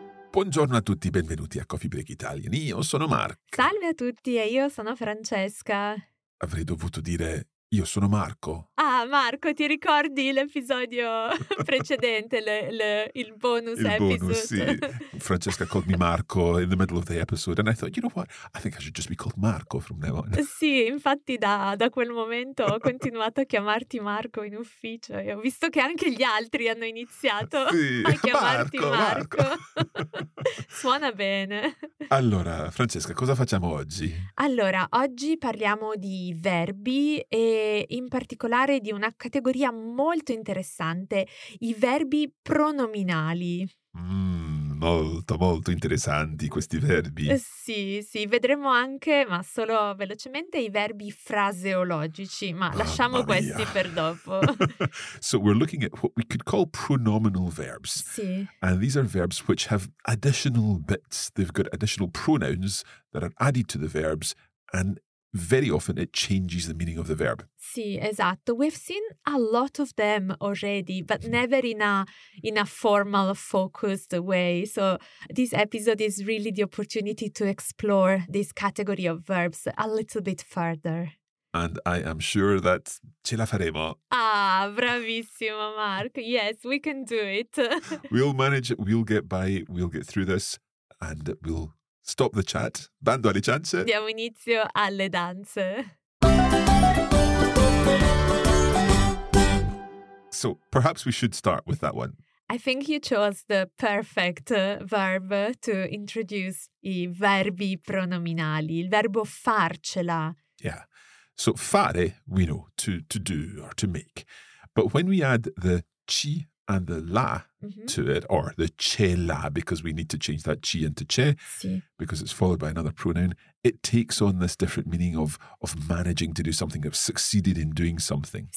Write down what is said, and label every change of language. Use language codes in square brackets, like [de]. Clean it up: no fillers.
[it] Buongiorno a tutti, benvenuti a Coffee Break Italian. Io sono Marco. Salve a tutti e io sono Francesca. Avrei dovuto dire... Io sono Marco. Ah, Marco, ti ricordi l'episodio precedente, il bonus episode? Il bonus, sì. [en] Francesca called me Marco in the middle of the episode and I thought, you know what, I think I should just be called Marco from now on. [it] Sì, infatti da quel momento ho continuato a chiamarti Marco in ufficio e ho visto che anche gli altri hanno iniziato a chiamarti Marco. Suona bene. Allora, Francesca, cosa facciamo oggi? Allora, oggi parliamo di verbi e in particolare di una categoria molto interessante, i verbi pronominali. Molto, molto interessanti questi verbi. Sì, sì, vedremo anche, ma solo velocemente, i verbi fraseologici, ma lasciamo questi per dopo. [en] So we're looking at what we could call pronominal verbs. [it] Sì. [en] And these are verbs which have additional bits. They've got additional pronouns that are added to the verbs and very often it changes the meaning of the verb. [it] Sì, esatto. [en] We've seen a lot of them already, but never in a formal, focused way. So this episode is really the opportunity to explore this category of verbs a little bit further. And I am sure that [it] ce la faremo. [en] Ah, [it] bravissimo, [en] Mark. Yes, we can do it. We'll manage it. We'll get by. We'll get through this. And we'll... Stop the chat. [it] Bando alle ciance. Diamo inizio alle danze. [en] So, perhaps we should start with that one. I think you chose the perfect verb to introduce [it] i verbi pronominali, il verbo farcela. [en] Yeah. So, fare, we know, to do or to make. But when we add the ci and the la to it, or the ce la, because we need to change that ci into ce, because it's followed by another pronoun, it takes on this different meaning of managing to do something, of succeeded in doing something.